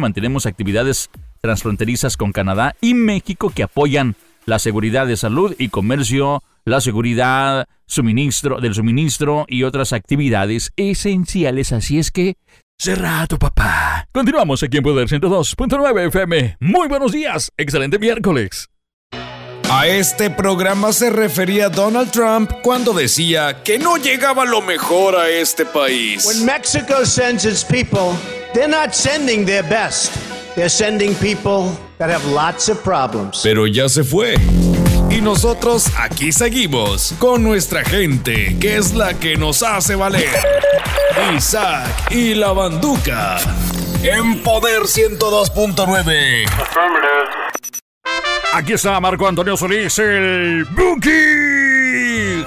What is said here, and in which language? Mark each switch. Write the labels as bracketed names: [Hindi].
[Spanish] Mantenemos actividades transfronterizas con Canadá y México que apoyan la seguridad de salud y comercio, la seguridad del suministro y otras actividades esenciales. Así es que cerra a tu papá. Continuamos aquí en Poder 102.9 FM. Muy buenos días. Excelente miércoles. A este programa se refería Donald Trump cuando decía que no llegaba lo mejor a este país. [English] When Mexico sends its people, they're not sending their best. They're sending people that have lots of problems. [Spanish] Pero ya se fue. Y nosotros aquí seguimos con nuestra gente, que es la que nos hace valer. Isaac y la Banduca en Poder 102.9. Aquí está Marco Antonio Solís, el Buki.